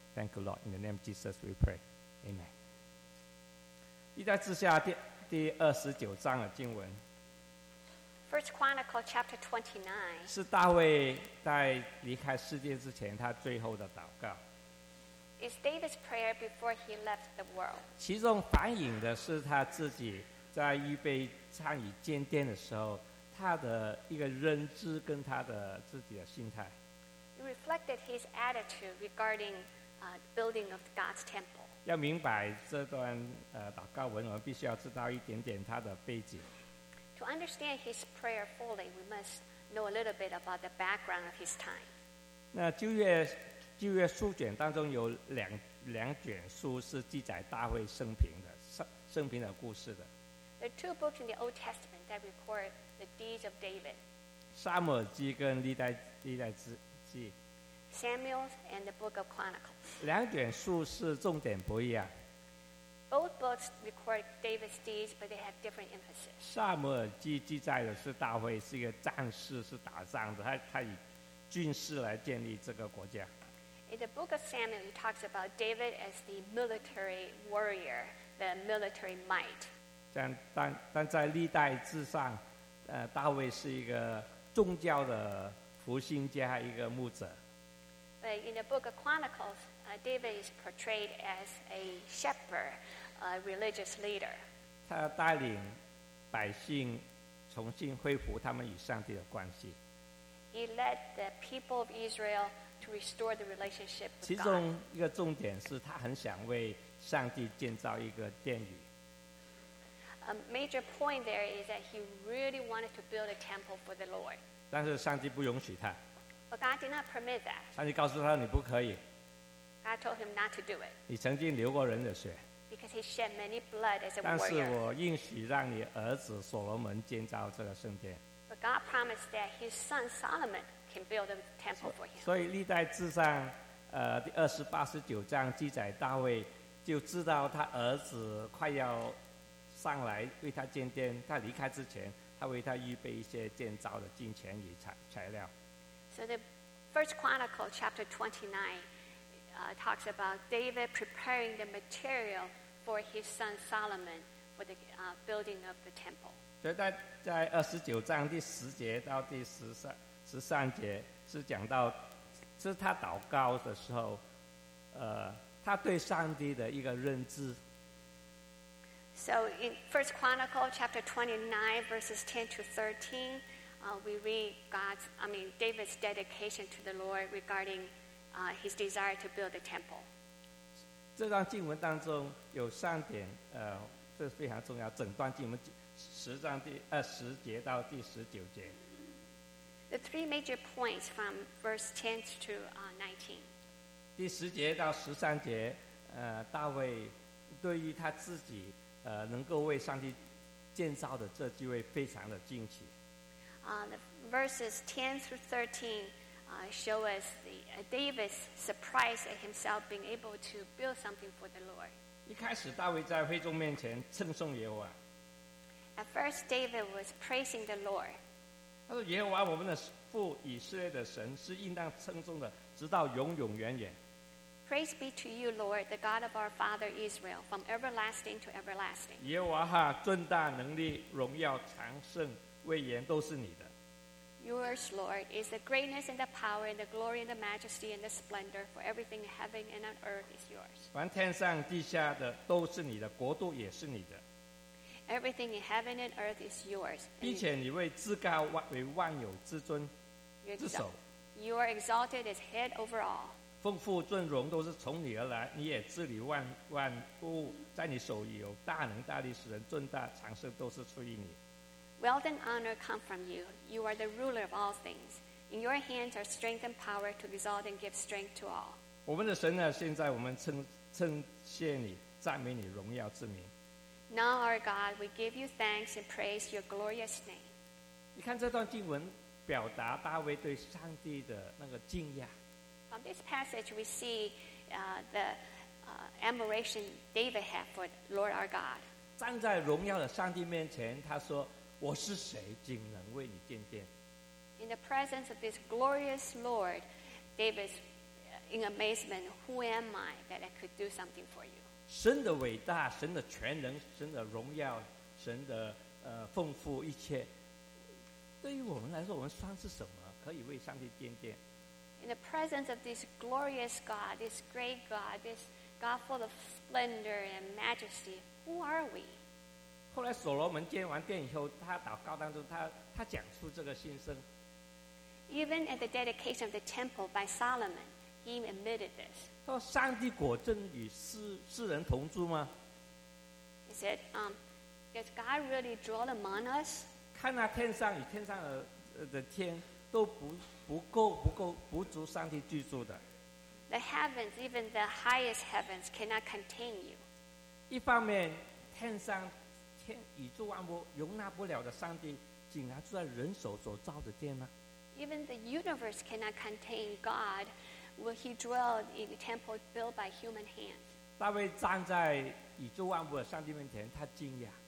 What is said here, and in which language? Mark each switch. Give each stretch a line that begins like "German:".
English: Thank you, Lord. In the name of Jesus, we pray. Amen.
Chinese: 历代志下第二十九章的经文
English: First Chronicles chapter 29
Chinese: 是大卫在离开世界之前他最后的祷告
English: It's David's prayer before he left the world
Chinese: 其中反映的是他自己在预备参与建殿的时候他的一个认知跟他的自己的心态
English: It reflected his attitude regarding building of God's temple
Chinese: 要明白这段祷告文，我们必须要知道一点点他的背景。
English: To understand his prayer fully, we must know a little bit about the background of his time.
Chinese: 那旧约书卷当中有两卷书是记载大卫生平的故事的。
English: There are two books in the Old Testament that record the deeds of David.
Chinese: 撒母耳记跟历代志。
English: Samuel and the Book of Chronicles.
Chinese: 两卷书是重点不一样。
English: Both books record David's deeds, but they have different emphasis.
Chinese: 撒母耳记记载的是大卫是一个战士，是打仗的，他以军事来建立这个国家。
English: In the Book of Samuel, it talks about David as the military warrior, the military might.
Chinese: 但在历代志上，大卫是一个宗教的复兴家，一个牧者。
English: But in the book of Chronicles, David is portrayed as a shepherd, a religious leader.
Chinese: 他带领百姓重新恢复他们与上帝的关系。
English: He led the people of Israel to restore the relationship with God.
Chinese: 其中一个重点是他很想为上帝建造一个殿宇。
English: A major point there is that he really wanted to build a temple for the Lord.
Chinese: 但是上帝不允许他。
English: But God did not permit that.
Chinese: 上帝告诉他你不可以。
English: God told him not to do it.
Chinese: 你曾经流过人的血。
English: Because he shed many blood as a warrior.
Chinese: 但是我应许让你儿子所罗门建造这个圣殿。
English: But God promised that his son Solomon can build a temple for him.
Chinese: 所以历代志上，第二十八十九章记载大卫就知道他儿子快要上来为他建殿，他离开之前，他为他预备一些建造的金钱与材料。
English: So the First Chronicle chapter 29 talks about David preparing the material for his son Solomon for the building of the temple.
Chinese: 所以在二十九章第十节到第十三节是讲到，是他祷告的时候，他对上帝的一个认知。
English: So in First Chronicle chapter 29 verses 10 to 13, we read David's dedication to the Lord regarding his desire to build the temple.
Chinese: 这段经文当中有三点，这是非常重要。整段经文十章第十节到第十九节。
English: The three major points from verse 10 to 19.
Chinese: 第十节到十三节，大卫对于他自己能够为上帝建造的这机会非常的惊奇。
English: The verses 10 through 13 show us David's surprise at himself being able to build something for the Lord.
Chinese: 一开始大卫在会众面前称颂耶和华。
English: At first, David was praising the Lord.
Chinese: 他说：“耶和华我们的父以色列的神是应当称颂的，直到永永远远。”
English: Praise be to you, Lord, the God of our father Israel, from everlasting to everlasting.
Chinese: 耶和华尊大能力荣耀长盛威严都是你的。
English: Yours, Lord, is the greatness and the power and the glory and the majesty and the splendor, for everything in heaven and on earth is yours.
Chinese: 凡天上地下的都是你的，国度也是你的。
English: Everything in heaven and earth is yours.
Chinese: 并且你为至高为万有之尊之首。
English: You are exalted as head over all.
Chinese: 丰富尊荣都是从你而来，你也治理万物，在你手里有大能大力，使人尊大长生都是出于你。
English: Wealth and honor come from you. You are the ruler of all things. In your hands are strength and power to exalt and give strength to all.
Chinese: 我们的神呢？现在我们称谢你，赞美你荣耀之名。
English: Now, our God, we give you thanks and praise your glorious name.
Chinese: 你看这段经文表达大卫对上帝的那个敬仰。
English: From this passage, we see the admiration David had for the Lord our God.
Chinese: 站在荣耀的上帝面前，他说：“我是谁，竟能为你建殿？”
English: In the presence of this glorious Lord, David's in amazement. Who am I that I could do something for you?
Chinese: 神的伟大，神的全能，神的荣耀，神的丰富一切，对于我们来说，我们算是什么？可以为上帝建殿？
English: In the presence of this glorious God, this great God, this God full of splendor and majesty, who are we?
Chinese: 后来所罗门建完殿以后，他祷告当中，他讲出这个心声。
English: Even at the dedication of the temple by Solomon, he admitted this.
Chinese: 说上帝果真与世人同住吗？
English: He said, does God really dwell among us?
Chinese: 看那天上与天上的天都不足上帝居住的。
English: The heavens, even the highest heavens, cannot contain you.
Chinese: 一方面，天上宇宙万物容纳不了的上帝，竟然住在人手所造的殿吗？
English: Even the universe cannot contain God. Will he dwell in a temple built by human hands?
Chinese: 大卫站在宇宙万物的上帝面前，他惊讶。